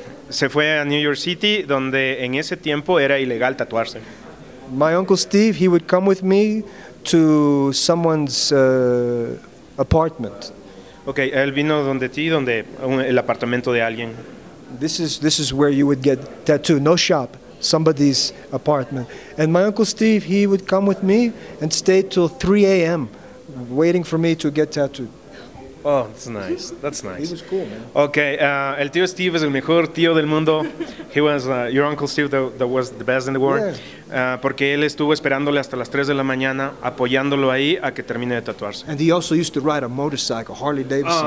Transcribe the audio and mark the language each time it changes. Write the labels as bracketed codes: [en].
[es] Se fue a New York City, donde en ese tiempo era ilegal tatuarse. [en] My uncle Steve, he would come with me to someone's apartment. [es] Okay, él vino donde ti, donde el apartamento de alguien. [en] This is where you would get tattooed. No shop, somebody's apartment. And my uncle Steve, he would come with me and stay till 3 a.m. waiting for me to get tattooed. Oh, that's nice. That's nice. He was cool, man. [es] Okay, el tío Steve es el mejor tío del mundo. [en] He was your uncle Steve that was the best in the world. Yeah. [es] Porque él estuvo esperándole hasta las 3 de la mañana, apoyándolo ahí a que termine de tatuarse. [en] And he also used to ride a motorcycle, Harley Davidson.